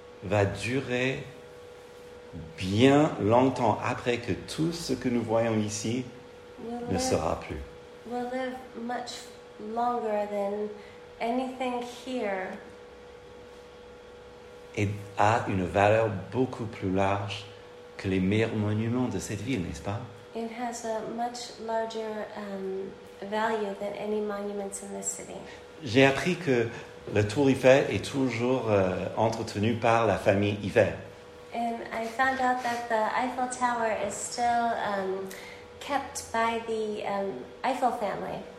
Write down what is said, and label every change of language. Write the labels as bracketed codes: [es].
[fr] va durer bien longtemps après que tout ce que nous voyons ici ne sera plus. [en] Will live much longer than anything here. [fr] Et a une valeur beaucoup plus large que les meilleurs monuments de cette ville, n'est-ce pas? [en] It has a much larger value than any monuments in this city. [fr] J'ai appris que la tour Eiffel est toujours entretenue par la famille Eiffel. [en] And I found out that the Eiffel Tower is still kept by the Eiffel family.